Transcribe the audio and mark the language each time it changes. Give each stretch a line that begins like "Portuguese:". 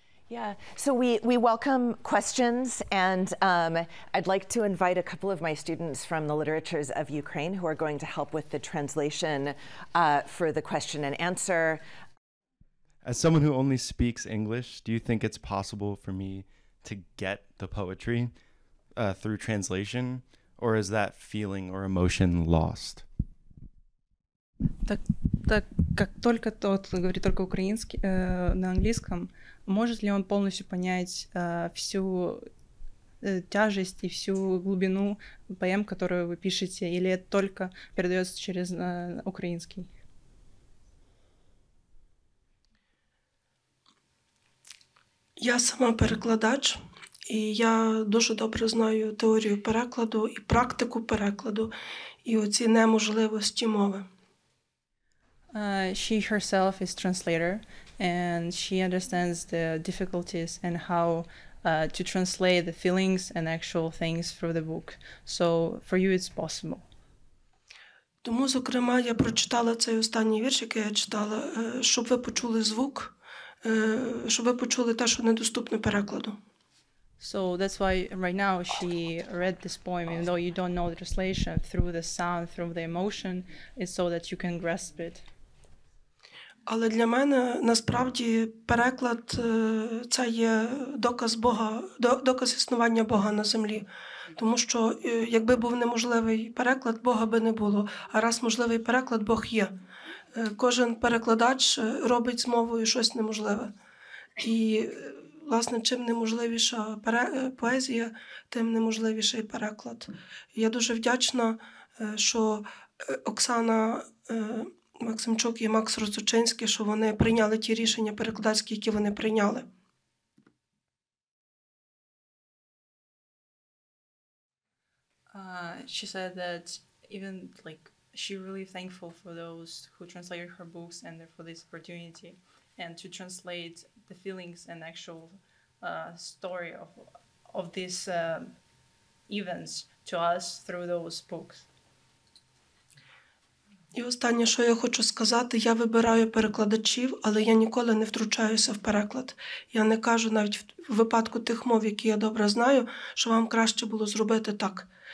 English: Yeah, so we welcome questions, and I'd like to invite a couple of my students from the Literatures of Ukraine who are going to help with the translation for the question and answer. As someone who only speaks English, do you think it's possible for me to get the poetry through translation, or is that feeling or emotion lost?
Ukrainian: Так, так як тільки тот говорить тільки українським, на англійському, може ли він повністю понять всю тяжесть і всю глибину поем,
Russian: которую
Ukrainian: ви пишете,
Russian: или это только передаётся
Ukrainian: через український? Я сама перекладач, і я дуже добре знаю теорію перекладу і практику перекладу, і оці неможливості мови.
English: She herself is translator, and she understands the difficulties and how to translate the feelings and actual things through the book. So for you it's possible.
Ukrainian: Тому, зокрема, я прочитала цей останній вірш, який я читала, щоб ви почули звук. Щоб ви почули те, що недоступне перекладу.
English: So that's why right now she read this poem, even though you don't know the translation, through the sound, through the emotion, is so that you can grasp it.
Ukrainian: Але для мене насправді переклад це є доказ Бога, доказ існування Бога на землі. Тому що якби був неможливий переклад, Бога би не було. А раз можливий переклад, Бог є. Кожен перекладач робить з мовою щось неможливе. І, власне, чим неможливіша поезія, тим неможливіший переклад. Я дуже вдячна, що Оксана Максимчук і Макс Розучинський, що вони прийняли ті рішення перекладацькі, які вони прийняли.
English: She said that even like she really thankful for those who translated her books and for this opportunity and to translate the feelings and actual story of these events to us through those books.
Ukrainian: І останнє, що я хочу сказати, я вибираю перекладачів, але я ніколи не втручаюся в переклад. Я не кажу навіть в випадку тих мов, які я добре знаю, що вам краще було зробити так.